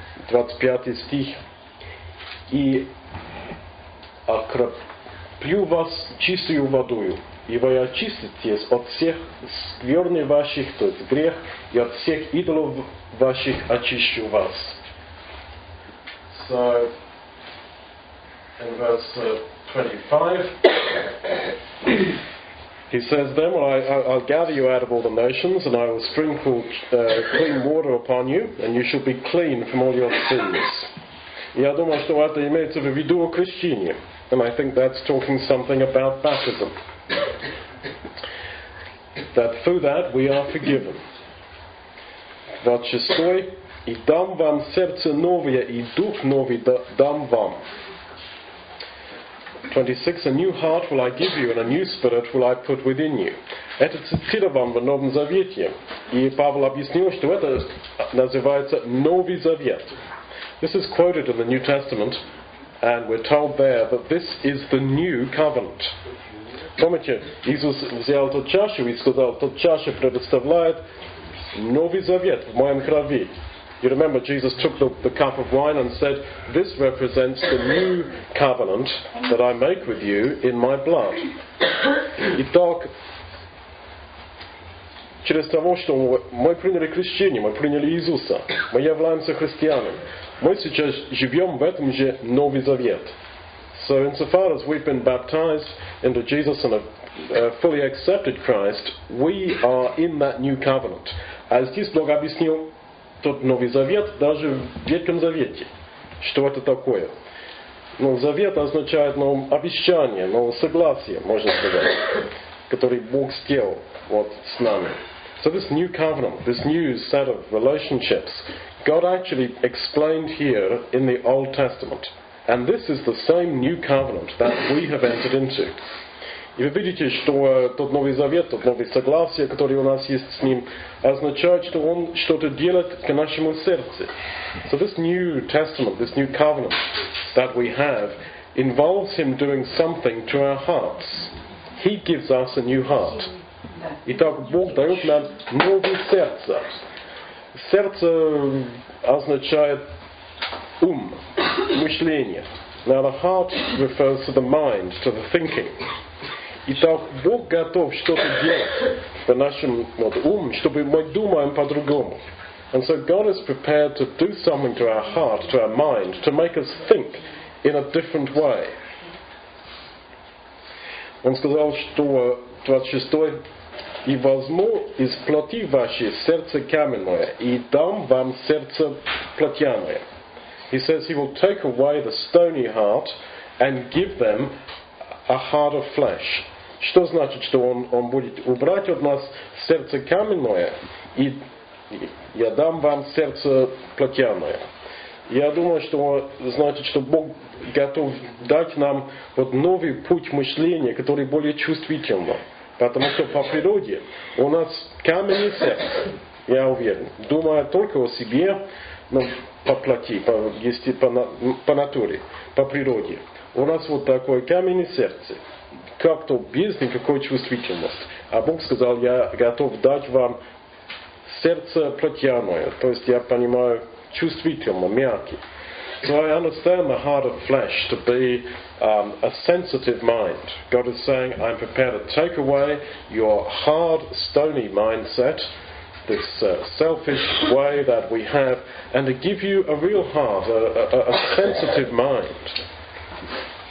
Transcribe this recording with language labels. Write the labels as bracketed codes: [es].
[ru] 25 стих. И окроплю вас чистую водою. ибо и очиститесь от всех скверны ваших, то есть грех, и от всех идолов ваших очищу вас. [en] So, in verse 25, he says, then I'll gather you out of all the nations, and I will sprinkle clean water upon you, and you shall be clean from all your sins. [ru] Я думаю, что это имеется в виду о крещении. [en] And I think that's talking something about baptism. That through that we are forgiven. 26. [ru] И дам вам сердце новое, и дух новый дам вам. 26. [en] A new heart will I give you, and a new spirit will I put within you. [ru] Это цитата вам в Новом Завете. И Павел объяснил, что это называется Новый Завет. [en] This is quoted in the New Testament, and we're told there that this is the new covenant. [ru] Помните, Иисус взял эту чашу и сказал, эта чаша предоставляет Новый Завет в моем крови. [en] You remember, Jesus took the cup of wine and said, this represents the new covenant that I make with you in my blood. [ru] Итак, через того, что мы приняли крещение, мы приняли Иисуса, мы являемся христианами. Мы сейчас живем в этом же Новый Завет. [en] So insofar as we've been baptized into Jesus and have fully accepted Christ, we are in that new covenant. [ru] А здесь Бог объяснил тот Новый Завет даже в Ветхом Завете. Что это такое? Ну, Завет означает, ну, обещание, ну, согласие, можно сказать, который Бог сделал вот с нами. [en] So this new covenant, this new set of relationships, God actually explained here in the Old Testament. And this is the same new covenant that we have entered into. [ru] И вы видите, что тот Новый Завет, тот Новый Согласие, который у нас есть с ним, означает, что он что-то делает к нашему сердцу. [en] So this new testament, this new covenant that we have, involves him doing something to our hearts. He gives us a new heart. [ru] Итак, Бог дает нам новое сердце. Сердце означает ум, мышление. [en] Now the heart refers to the mind, to the thinking. [ru] Итак, Бог готов что-то делать в нашем уме, чтобы мы думаем по-другому. [en] And so God is prepared to do something to our heart, to our mind, to make us think in a different way. [ru] Он сказал, что 26-й, и возьму из плоти ваше сердце каменное, и дам вам сердце плотяное. [en] He says he will take away the stony heart and give them a heart of flesh. [ru] Что значит, что он будет убрать от нас сердце каменное, и я дам вам сердце плотяное. Я думаю, что значит, что Бог готов дать нам вот новый путь мышления, который более чувствительный. Потому что по природе у нас каменное сердце, я уверен, думая только о себе, ну, по плоти, по натуре, по природе. У нас вот такое каменное сердце, как-то без никакой чувствительности. А Бог сказал, я готов дать вам сердце плотяное, то есть я понимаю, чувствительное, мягкое. [en] So I understand the heart of flesh to be a sensitive mind. God is saying, I'm prepared to take away your hard, stony mindset, this selfish way that we have, and to give you a real heart, a sensitive mind.